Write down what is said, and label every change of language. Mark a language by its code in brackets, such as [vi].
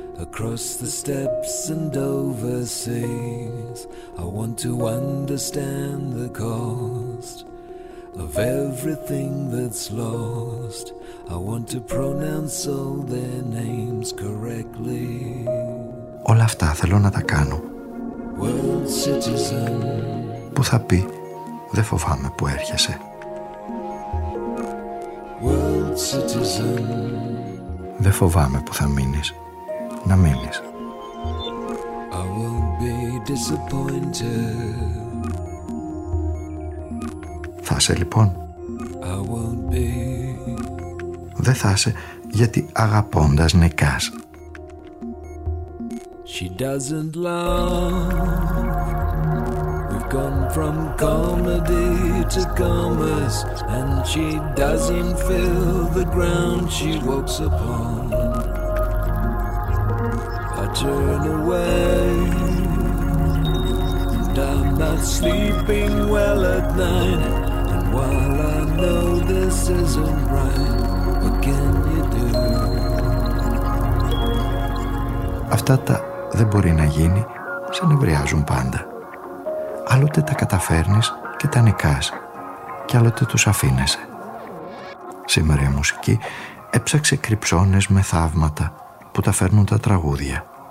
[en] Across the steps and overseas, I want to understand the cost of everything that's lost. I want to pronounce all their names correctly. [el] Όλα αυτά θέλω να τα κάνω. [en] World citizen. [el] Που θα πει, δεν φοβάμαι που έρχεσαι. [en] World citizen. [el] Δεν φοβάμαι που θα μείνεις. Να μείνεις. [en] I won't be disappointed. [el] Θα είσαι λοιπόν. [en] I won't be. [el] Δεν θα είσαι, γιατί αγαπώντας νικάς. [en] She doesn't love. We've gone from comedy to commerce. And she doesn't feel the ground she walks upon. Turn away. And I'm not sleeping well at night. And while I know this isn't right, what can you do? [el] Αυτά τα δεν μπορεί να γίνει σε νευριάζουν πάντα. Άλλοτε τα καταφέρνεις και τα νικάς, και άλλοτε τους αφήνεσαι. Σήμερα η μουσική έψαξε κρυψώνες με θαύματα που τα φέρνουν τα τραγούδια.